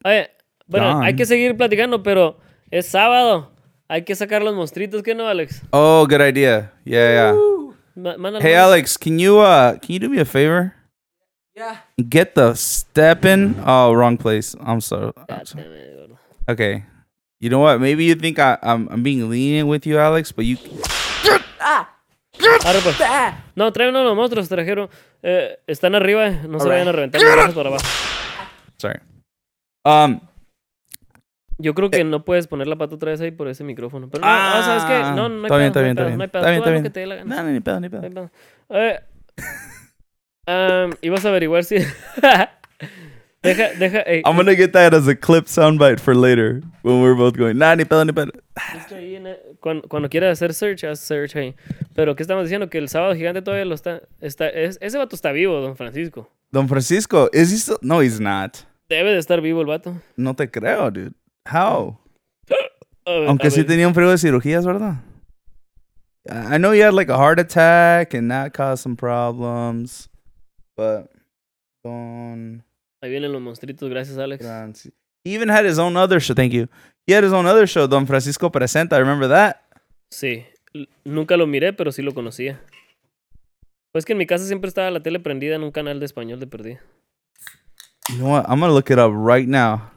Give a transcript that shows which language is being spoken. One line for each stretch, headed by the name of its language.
Spanish: Oye, bueno, hay que seguir platicando, pero es sábado. Hay que sacar los monstruitos, ¿qué no, Alex?
English: Oh, good idea. Yeah, yeah. Hey, Alex, can you do me a favor? Yeah. Get the stepping. Oh, wrong place. I'm sorry. Okay. You know what? Maybe you think I'm being lenient with you, Alex, but you...
Spanish: Ahora pues. No, traen uno de los monstruos, trajeron. Están arriba, no se vayan a reventar. Vamos para abajo.
English: Sorry.
Spanish: Yo creo que no puedes poner la pata otra vez ahí por ese micrófono. Pero no, ¿sabes qué? No hay está Está bien, está bien. No hay pedo. Está bien, está bien. Que te dé la gana. No, ni pedo, ni pedo. Ibas a averiguar si. Deja.
English: Hey. I'm gonna get that as a clip soundbite for later when we're both going.
Spanish: Nah, ni pedo, ni pedo. Cuando quieras hacer search, haz search ahí. Pero ¿qué estamos diciendo? Que el Sábado Gigante todavía lo está. Ese vato está vivo, Don Francisco.
English: Don Francisco,
Spanish: ¿es esto?
English: No, he's not.
Spanish: Debe de estar vivo el vato. No te creo,
English: dude. How?
Spanish: Aunque sí tenía un frío de cirugías, ¿verdad?
English: I know he had like a heart attack and that caused some problems. But. Don.
Spanish: Ahí vienen los monstruitos, gracias, Alex.
English: He even had his own other show, thank you. He had his own other show, Don Francisco Presenta, I remember that.
Spanish: Sí, nunca lo miré, pero sí lo conocía. Pues que en mi casa siempre estaba la tele prendida en un canal de español de perdida.
English: You know what, I'm gonna look it up right now.